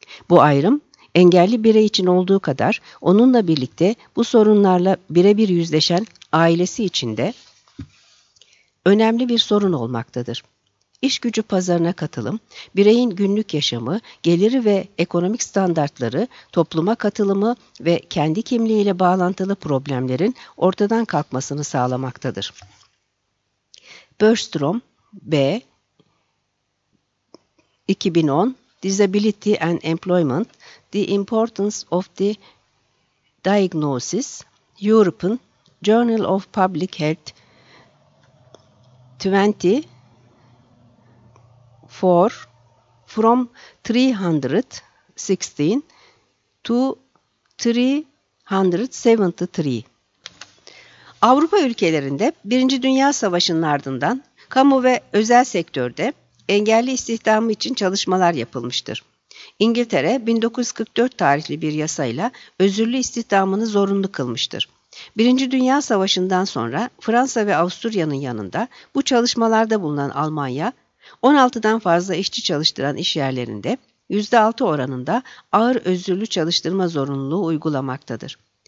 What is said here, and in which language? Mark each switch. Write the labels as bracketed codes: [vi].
[tr] Bu ayrım, engelli birey için olduğu kadar onunla birlikte bu sorunlarla birebir yüzleşen ailesi için de önemli bir sorun olmaktadır. İş gücü pazarına katılım, bireyin günlük yaşamı, geliri ve ekonomik standartları, topluma katılımı ve kendi kimliğiyle bağlantılı problemlerin ortadan kalkmasını sağlamaktadır. Börström B. [en] 2010 Disability and Employment, The Importance of the Diagnosis, European Journal of Public Health 20 from 316 to 373. [tr] Avrupa ülkelerinde 1. Dünya Savaşı'nın ardından kamu ve özel sektörde engelli istihdamı için çalışmalar yapılmıştır. İngiltere 1944 tarihli bir yasayla özürlü istihdamını zorunlu kılmıştır. 1. Dünya Savaşı'ndan sonra Fransa ve Avusturya'nın yanında bu çalışmalarda bulunan Almanya, 16'dan fazla işçi çalıştıran iş yerlerinde %6 oranında ağır özürlü çalıştırma zorunluluğu uygulamaktadır.